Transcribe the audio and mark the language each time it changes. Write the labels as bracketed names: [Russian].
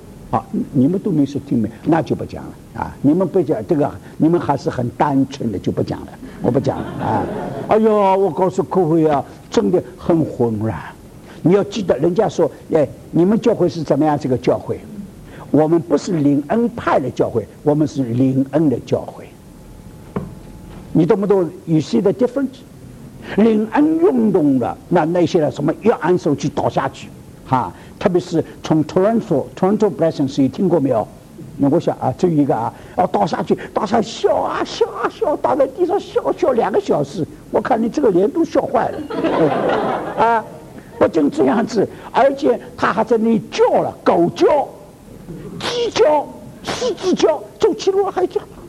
[Chinese] 啊，你们都没说听没，那就不讲了啊！你们不讲这个，你们还是很单纯的，就不讲了。我不讲了啊！哎呦，我告诉各位啊，真的很混乱。你要记得，人家说，哎，你们教会是怎么样？这个教会，我们不是灵恩派的教会，我们是灵恩的教会。你懂不懂 [English] ？You see the difference？ [Chinese] 灵恩运动的那些的什么一按手去倒下去，哈、啊！特别是从 Toronto Blessings， 你听过没有？我想啊，这一个啊，要倒下去，倒下笑啊笑啊笑，倒在地上笑笑两个小时，我看你这个脸都笑坏了，啊，不仅这样子，而且他还在那里叫了，狗叫、鸡叫、狮子叫，走起路还叫。